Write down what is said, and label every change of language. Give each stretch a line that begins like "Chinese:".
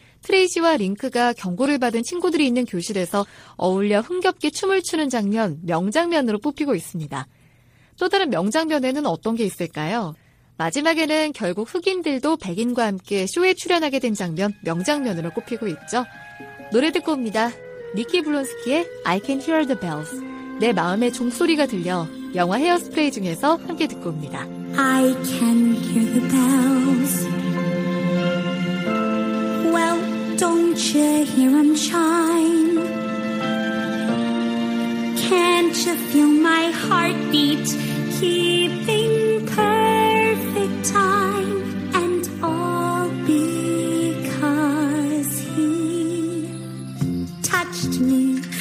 Korean: 트레이시와 링크가 경고를 받은 친구들이 있는 교실에서 어울려 흥겹게 춤을 추는 장면, 명장면으로 뽑히고 있습니다. 또 다른 명장면에는 어떤 게 있을까요? 마지막에는 결국 흑인들도 백인과 함께 쇼에 출연하게 된 장면, 명장면으로 꼽히고 있죠. 노래 듣고 옵니다. 니키 블론스키의 I Can Hear the Bells. 내 마음의 종소리가 들려 영화 헤어스프레이 중에서 함께 듣고 옵니다.
English: I can hear the bells. Well, don't you hear them chime? Can't you feel my heartbeat keeping time, and all because he touched me.